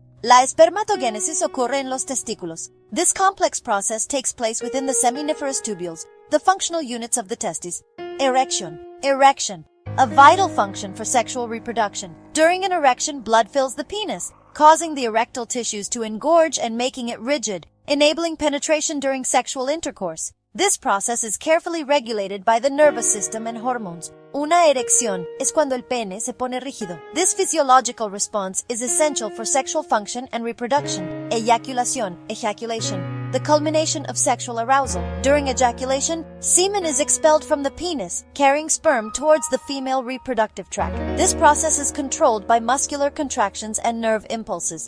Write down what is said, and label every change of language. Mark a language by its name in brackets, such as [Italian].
[Spanish] La espermatogénesis ocurre en los testículos. [English] This complex process takes place within the seminiferous tubules, the functional units of the testes. Erection. Erection. A vital function for sexual reproduction. During an erection, blood fills the penis, causing the erectile tissues to engorge and making it rigid, enabling penetration during sexual intercourse. This process is carefully regulated by the nervous system and hormones. [Spanish] Una erección es cuando el pene se pone rígido. [English] This physiological response is essential for sexual function and reproduction. Eyaculación, ejaculation. The culmination of sexual arousal. During ejaculation, semen is expelled from the penis, carrying sperm towards the female reproductive tract. This process is controlled by muscular contractions and nerve impulses.